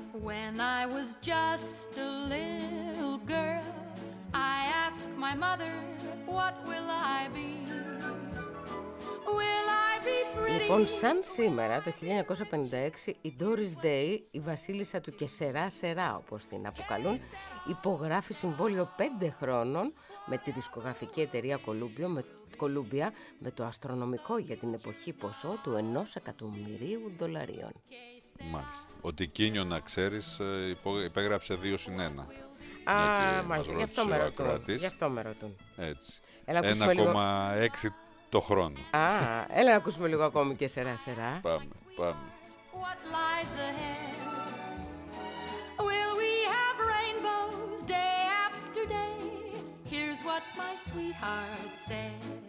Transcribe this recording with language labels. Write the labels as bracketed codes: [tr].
[en] When I was just a little girl, I asked my mother, what will I be? Will I be pretty? [el] Λοιπόν, σαν σήμερα, το 1956, η Doris Day, η βασίλισσα του Κεσερά-Σερά, όπως την αποκαλούν, υπογράφει συμβόλαιο 5 χρόνων με τη δισκογραφική εταιρεία Columbia με το αστρονομικό για την εποχή ποσό του 1 εκατομμυρίου δολαρίων. Μάλιστα. Ο Τικίνιο, να ξέρεις, υπέγραψε 2+1. Α, μάλιστα. Γι' αυτό με ρωτούν. Έτσι. 1,6 το χρόνο. Α, έλα να ακούσουμε λίγο ακόμη και σερά-σερά. Πάμε, πάμε. [en] What lies ahead? Will we have rainbows day after day? Here's what my sweetheart said.